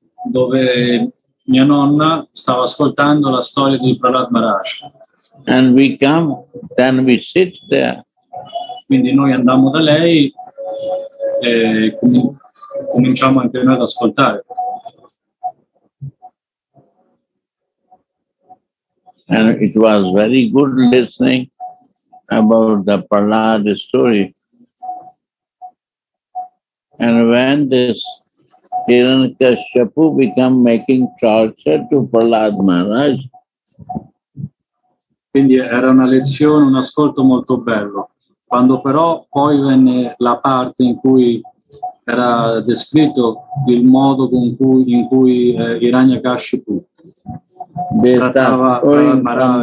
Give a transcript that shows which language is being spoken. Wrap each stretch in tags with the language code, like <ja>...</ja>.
<it>Dove mia nonna stava ascoltando la storia di Prahlad Maharaj.</it> <en>And we come, then we sit there.</en> <it>Quindi noi andiamo da lei e cominciamo anche noi ad ascoltare.</it> <en>And it was very good listening about the Prahlad story. And when this Hiranyakashipu became making torture to Prahlad Maharaj.</en> <it>Quindi era una lezione, un ascolto molto bello. Quando però poi venne la parte in cui era descritto il modo con cui in cui Hiranyakashipu trattava Maharaj,</it>